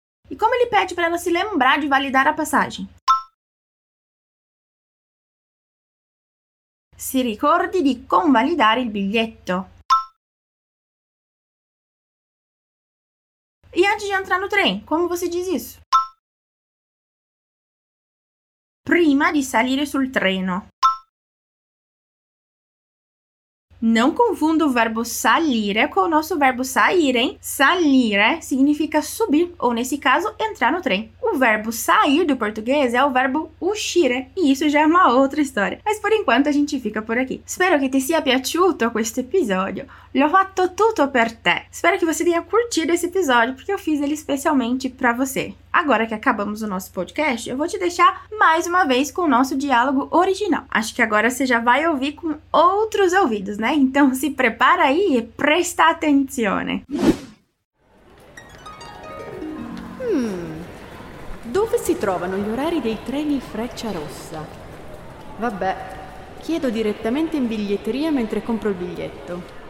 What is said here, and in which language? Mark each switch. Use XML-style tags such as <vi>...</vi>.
<pt>E como ele pede para ela se lembrar de validar a passagem?</pt> <it>Si ricordi di convalidare il biglietto.</it> <pt>E antes de entrar no trem, como você diz isso?</pt> <it>Prima di salire sul treno.</it> <pt>Não confunda o verbo salire com o nosso verbo sair, hein? Salire significa subir, ou nesse caso, entrar no trem. O verbo sair do português é o verbo uscire, e isso já é uma outra história. Mas por enquanto a gente fica por aqui.</pt> <it>Spero che ti sia piaciuto questo episodio. L'ho fatto tutto per te. Spero che</it> <pt>você tenha curtido esse episódio, porque eu fiz ele especialmente pra você. Agora que acabamos o nosso podcast, eu vou te deixar mais uma vez com o nosso diálogo original. Acho que agora você já vai ouvir com outros ouvidos, né? Então se prepara aí e presta attenzione.</pt> <it>Dove si trovano gli orari dei treni Freccia Rossa? Vabbè, chiedo direttamente in biglietteria mentre compro il biglietto.</it>